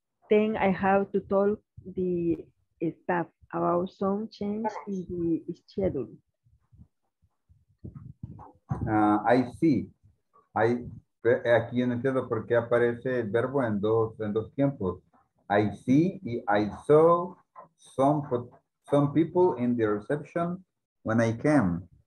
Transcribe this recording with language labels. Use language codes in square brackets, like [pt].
[en] Then I have to talk the staff about some change in the schedule. I see. [es] Aquí yo no entiendo por qué aparece el verbo en dos tiempos. [en] I see y I saw some people in the reception when I came.